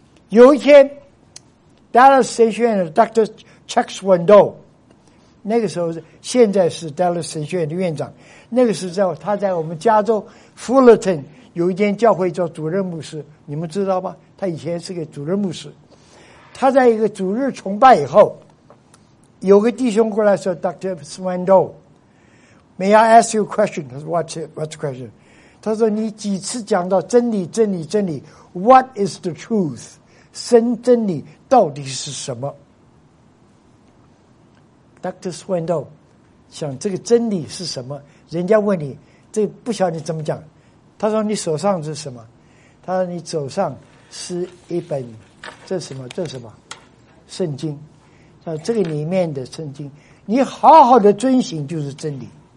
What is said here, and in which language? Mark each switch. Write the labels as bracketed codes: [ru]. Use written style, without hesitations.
[zh] 有一天 Dallas 神学院的 Dr. Chuck Swindoll， 那个时候现在是 Dallas 神学院的院长，那个时候他在我们加州 Fullerton 有一间教会做主任牧师，你们知道吗？他以前是个主任牧师。他在一个主日崇拜以后，有个弟兄过来说 Dr. [en] Swindoll， May I ask you a question？ [zh] 他说 [en] What's the question？ [zh] 他说你几次讲到真理真理真理， [en] What is the truth？ [zh] 神真理到底是什么？ [en] Dr. [zh] Swindoll 想这个真理是什么，人家问你这不晓得怎么讲，他说你手上是什么，他说你手上是一本，这是什么，这是什么圣经，他说这个里面的圣经你好好的遵循就是真理。